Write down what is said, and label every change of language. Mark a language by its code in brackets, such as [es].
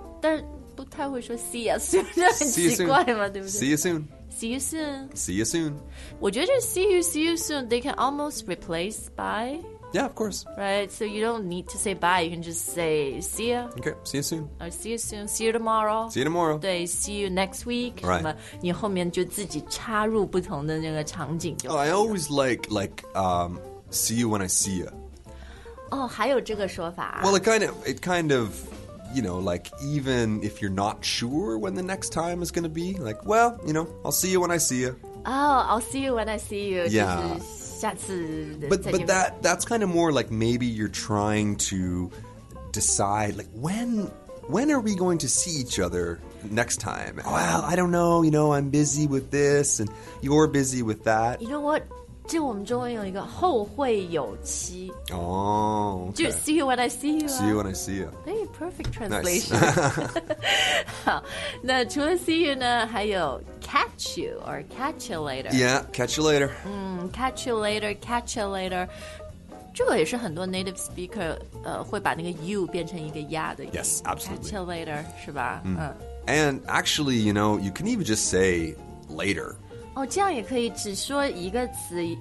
[zh] 但不太会说 [en] see you soon [zh] 就很奇怪嘛，对不对 [en] ？See you soon. See you soon. See you soon. [zh] 我觉得 [en] see you soon, they can almost replace bye. Yeah, of course. Right, so you don't need to say bye, you can just say see ya. Okay, see you soon. Or see you soon. See you tomorrow. See you tomorrow. 对 ，see you next week. Right. [zh] 什么？你后面就自己插入不同的那个场景就。 [en] Oh, I always like see you when I see ya. [zh] 还有这个说法。 [en] Well, it kind of. You know, like, even if you're not sure when the next time is going to be, like, well, you know, I'll see you when I see you. Oh, I'll see you when I see you. Yeah. [zh] 就是下次 [en] But that's kind of more like maybe you're trying to decide, like, when are we going to see each other next time? Well, I don't know, you know, I'm busy with this and you're busy with that. You know what? [zh] 就我们中文有一个后会有期 [en] 哦、okay. 就 see you when I see you、 see you when I see you hey, perfect translation、 nice. [zh] 好那除了 see you 呢还有 [en] catch you or catch you later yeah catch you later、 catch you later catch you later [zh] 这个也是很多 native speaker、会把那个 you 变成一个 ya 的 [en] yes absolutely catch you later [zh] 是吧、 [en] And actually, you know, you can even just say later. [zh] Oh, 这样也可以只说一个词。